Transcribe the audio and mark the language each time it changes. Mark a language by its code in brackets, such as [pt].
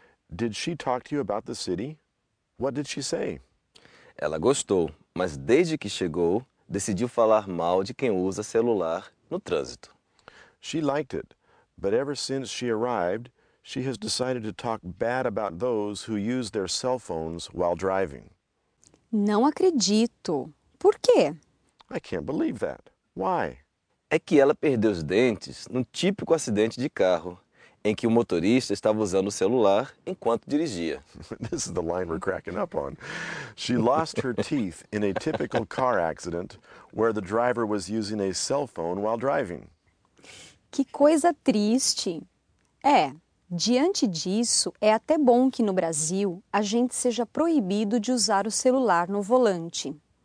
[en] Did she talk to you about the city? What did she say? [pt] Ela gostou, mas desde que chegou, decidiu falar mal de quem usa celular no trânsito. [en] She liked it, but ever since she arrived, she has decided to talk bad about those who use their cell phones while driving. [pt] Não acredito. Por quê? [en] I can't believe that. Why? [pt] É que ela perdeu os dentes num típico acidente de carro, em que o motorista estava usando o celular enquanto dirigia. [en] This is the line we're cracking up on. She lost her teeth in a typical car accident where the driver was using a cell phone while driving. [pt] Que coisa triste. É. Diante disso, é até bom que no Brasil a gente seja proibido de usar o celular no volante.